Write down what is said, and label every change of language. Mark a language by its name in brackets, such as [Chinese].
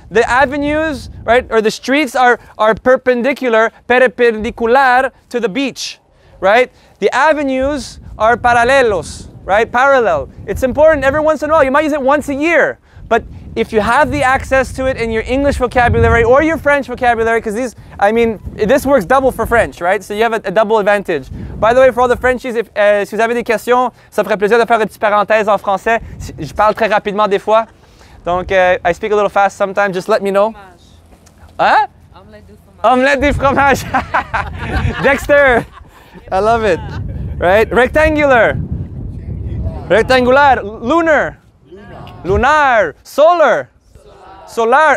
[English] The avenues, right? Or the streets are perpendicular, perpendicular to the beach, right? The avenues are paralelos, right? Parallel. It's important every once in a while. You might use it once a year, but if you have the access to it in your English vocabulary or your French vocabulary, because these, I mean, this works double for French, right? So you have a double advantage. By the way, for all the Frenchies, if [French] si vous avez des questions, ça ferait plaisir de faire une petite parenthèse en français. Je parle très rapidement des fois. Donc, [English] I speak a little fast sometimes, just let me know. [French] Fromage. [English] Huh? [French] Omelette du fromage. Omelette du fromage. [English] Dexter, I love it. Right? Rectangular. Rectangular. Lunar. Lunar. Solar. Solar.